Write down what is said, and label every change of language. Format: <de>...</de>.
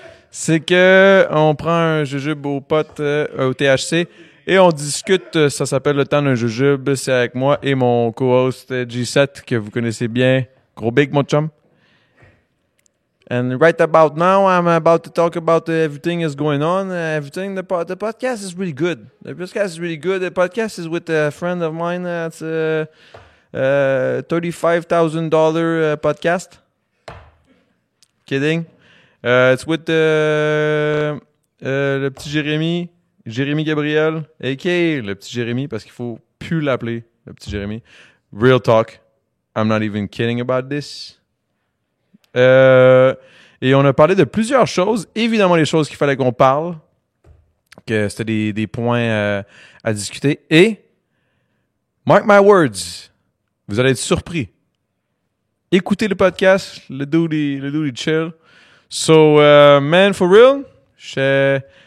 <fr>C'est que on prend un jujube aux potes, au THC, et on discute. Ça s'appelle le temps d'un jujube. C'est avec moi et mon co-host G7, que vous connaissez bien. Gros big, mon chum.</fr> <en>And right about now, I'm about to talk about everything is going on. Everything, the podcast is really good. The podcast is with a friend of mine. It's a $35,000 podcast. Kidding. It's with le petit Jérémy, Jérémy Gabriel, a.k.a.</en> <fr>le petit Jérémy, parce qu'il faut plus l'appeler le petit Jérémy.</fr> <en>Real talk. I'm not even kidding about this.</en> <fr>Et on a parlé de plusieurs choses. Évidemment, les choses qu'il fallait qu'on parle, que c'était des points à discuter. Et, mark my words, vous allez être surpris. Écoutez le podcast, le dude chill. So, man, for real, je suis...</fr>